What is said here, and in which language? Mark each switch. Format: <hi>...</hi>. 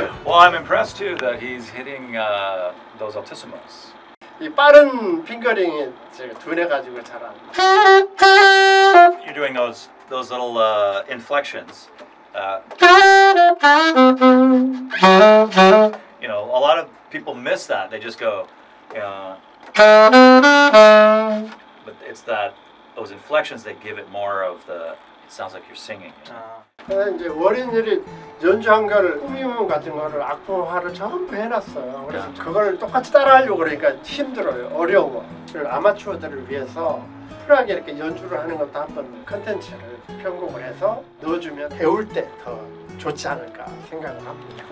<en>Well, I'm impressed too that he's hitting those altissimos.</en> <ko>이 빠른 핑거링이 제가 두뇌 가지고 잘한.</ko> <en>You're doing those little inflections. You know, a lot of people miss that. They just go, but it's that those inflections that give it more of the. Sounds like you're singing.</en> <ko>이제 어린이들이 연주한 거를 꾸밈 같은 거를 악보화를 전부 해놨어요. 그래서 그걸 똑같이 따라하려고 그러니까 힘들어요. 어려워. 아마추어들을 위해서 풀하게 이렇게 연주를 하는 것도 한번 컨텐츠를 편곡을 해서 넣어주면 배울 때 더 좋지 않을까 생각을 합니다.</ko>